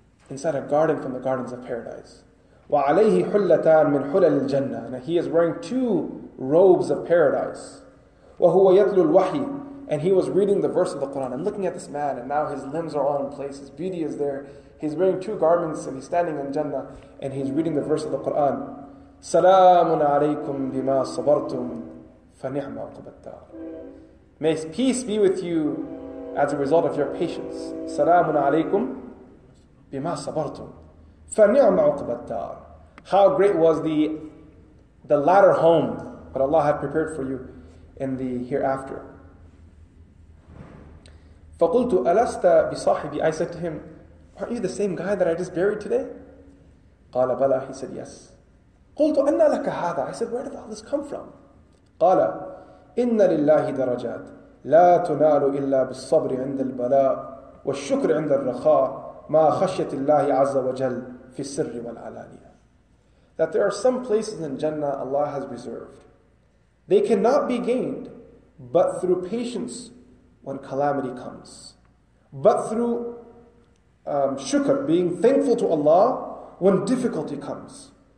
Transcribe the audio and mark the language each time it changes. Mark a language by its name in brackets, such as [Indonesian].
[English] Inside a garden from the gardens of paradise. [Arabic] وعليه حلتان من حلل الجنة. [English] Now he is wearing two robes of paradise. [Arabic] وهو يتلو الوحي. [English] And he was reading the verse of the Quran. And looking at this man, and now his limbs are all in place. His beauty is there. He's wearing two garments and he's standing in Jannah. And he's reading the verse of the Quran. [Arabic] سلام عليكم بما صبرتم فنعم عقب الدار. [English] May peace be with you as a result of your patience. [Arabic] سلام عليكم بما صبرتم فنعم عقب الدار. [English] How great was the latter home that Allah had prepared for you in the hereafter. [Arabic] فقلت ألست بصاحبي. [English] I said to him, aren't you the same guy that I just buried today? [Arabic] قال بلى. [English] He said, yes. [Arabic] قلت أن لك هذا. [English] I said, where did all this come from? [Arabic] قال إن لله درجات لا تنال إلا بالصبر عند البلاء والشكر عند الرخاء ما خشيت الله عز وجل في السر والعلانية. [English] That there are some places in Jannah Allah has reserved. They cannot be gained but through patience when calamity comes. But through shukr, being thankful to Allah when difficulty comes.